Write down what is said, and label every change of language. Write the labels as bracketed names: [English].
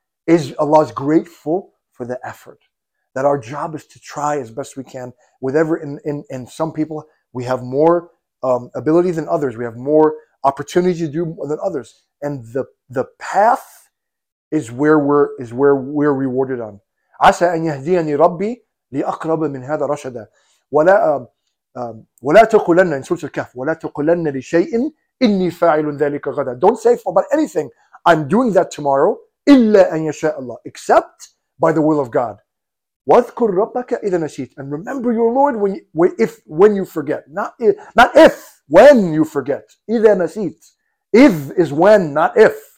[English] Is Allah is grateful for the effort. That our job is to try as best we can. In some people, we have more ability than others. We have more opportunity to do more than others. And the path is where we're rewarded on. [Arabic] عسى أن يهديني ربي لأقرب من هذا رشدا. ولا تقولن, [English] in Surah Al-Kahf, [Arabic] ولا تقولن لشيء إني فاعل ذلك غدا. [English] Don't say about anything, I'm doing that tomorrow. [Arabic] إلا أن يشاء الله, [English] except by the will of God. [Arabic] واذكر ربك إذا نسيت, [English] and remember your Lord when you forget. Not if, when you forget. [Arabic] إذا نسيت, [English] if is when, not if.